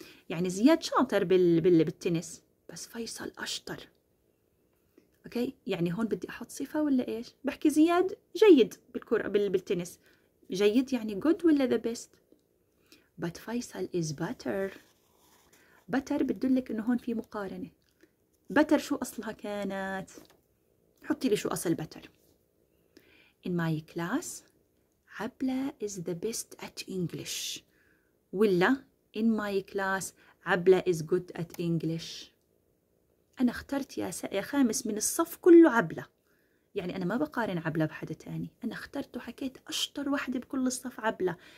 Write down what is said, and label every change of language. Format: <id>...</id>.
<ar>يعني زياد شاطر بالتنس بس فيصل أشطر. اوكي يعني هون بدي احط صفة ولا ايش؟ بحكي زياد جيد بالكرة بالتنس. جيد يعني</ar> <en>good ولا the best؟ but فيصل is better.</en> <ar>better بتدلك انه هون في مقارنة. better شو اصلها كانت؟ حطي لي شو اصل better. in my class عبلة</ar> <en>is the best at English</en> <ar>ولا in my class عبلة</ar> <en>is good at English؟</en> <ar>أنا اخترت يا خامس من الصف كله عبلة، يعني أنا ما بقارن عبلة بحدة تاني، أنا اخترت وحكيت أشطر واحدة بكل الصف عبلة.</ar>